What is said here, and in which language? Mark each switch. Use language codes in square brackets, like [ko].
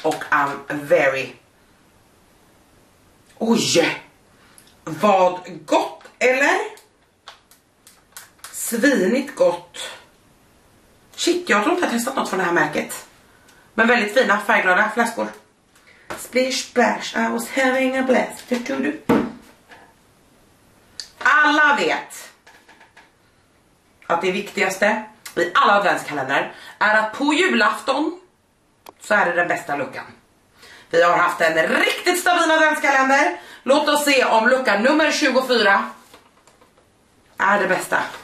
[sv] Och [en] I'm very... [sv] Oj, vad gott, eller? Svinigt gott. Shit, jag tror inte jag har testat något från det här märket. Men väldigt fina, färgglada flaskor. [en] Splish splash, I was having a blast. [sv] Alla vet att det viktigaste i alla adventskalendrar är att på julafton så är det den bästa luckan. Vi har haft en riktigt stabil adventskalender. Låt oss se om lucka nummer 24 är det bästa.